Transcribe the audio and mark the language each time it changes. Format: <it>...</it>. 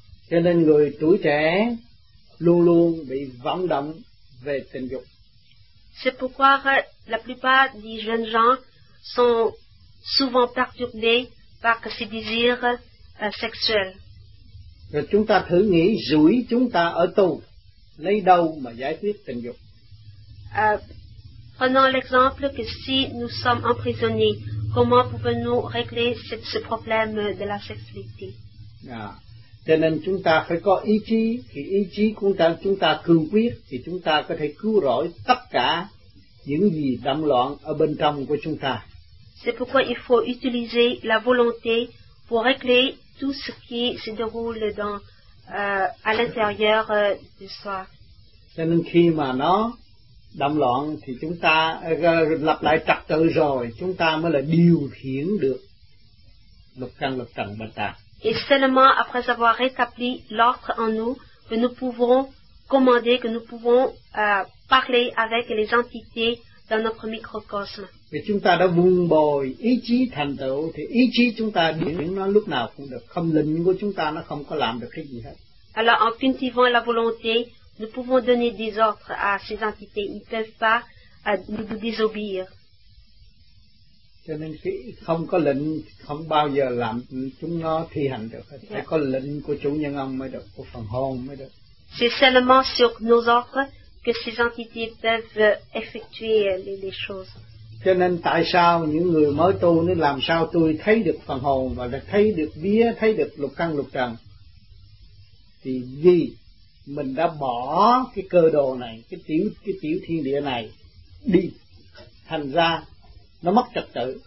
<vi>Cho nên người tuổi trẻ luôn luôn bị vận động về tình dục.</vi> <fr>C'est pourquoi la plupart des jeunes gens sont souvent perturbés par ces désirs sexuels.</fr> <vi>Rồi chúng ta thử nghĩ rủi chúng ta ở tù, lấy đâu mà giải quyết tình dục?</vi> <fr>Prenons l'exemple que si nous sommes emprisonnés, comment pouvons-nous régler ce problème de la sexualité?</fr> <vi>Cho nên chúng ta phải có ý chí, thì ý chí của chúng ta cương quyết, thì chúng ta có thể cứu rỗi tất cả những gì động loạn ở bên trong của chúng ta.</vi> <fr>C'est pourquoi il faut utiliser la volonté pour régler tout ce qui se déroule dans, à l'intérieur de soi.</fr> <vi>Cho nên khi mà nó động loạn thì chúng ta lập lại trật tự rồi, chúng ta mới là điều khiển được lục căn lục trần bên ta.</vi> <fr>Et seulement après avoir rétabli l'ordre en nous, que nous pouvons commander, que nous pouvons parler avec les entités dans notre microcosme.</fr> <vi>Vì chúng ta đã vun bồi ý chí thành tựu, thì ý chí chúng ta điển nó lúc nào cũng được, không linh của chúng ta nó không có làm được cái gì hết.</vi> <fr>Alors, en cultivant la volonté, nous pouvons donner des ordres à ces entités, ils ne peuvent pas nous désobéir.</fr> <vi>Cho nên khi không có lệnh, không bao giờ làm chúng nó thi hành được. Phải yeah. Có lệnh của chủ nhân ông mới được, của phần hồn mới được.</vi> <fr>C'est seulement sur nos ordres que ces entités peuvent effectuer les choses.</fr> <vi>Cho nên tại sao những người mới tu nó làm sao tôi thấy được phần hồn và thấy được vía, thấy được lục căn lục trần? Thì vì mình đã bỏ cái cơ đồ này, cái tiểu thiên địa này đi, thành ra nó mất trật tự.</vi>